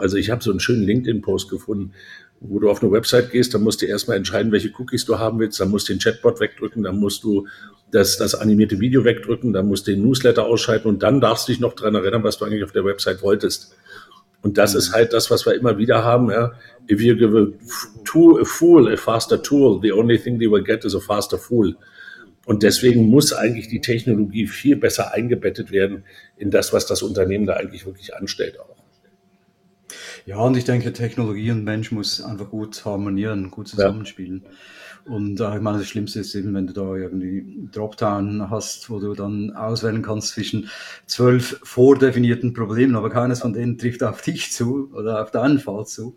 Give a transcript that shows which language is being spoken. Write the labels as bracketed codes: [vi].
[de] Also ich habe so einen schönen LinkedIn-Post gefunden, wo du auf eine Website gehst, dann musst du erstmal entscheiden, welche Cookies du haben willst, dann musst du den Chatbot wegdrücken, dann musst du das animierte Video wegdrücken, dann musst du den Newsletter ausschalten und dann darfst du dich noch daran erinnern, was du eigentlich auf der Website wolltest. Und das ist halt das, was wir immer wieder haben. Ja? [en] If you give a fool a faster tool, the only thing they will get is a faster fool. [de] Und deswegen muss eigentlich die Technologie viel besser eingebettet werden in das, was das Unternehmen da eigentlich wirklich anstellt auch. Ja, und ich denke, Technologie und Mensch muss einfach gut harmonieren, gut zusammenspielen. Und ich meine, das Schlimmste ist eben, wenn du da irgendwie Dropdown hast, wo du dann auswählen kannst zwischen 12 vordefinierten Problemen, aber keines von denen trifft auf dich zu oder auf deinen Fall zu.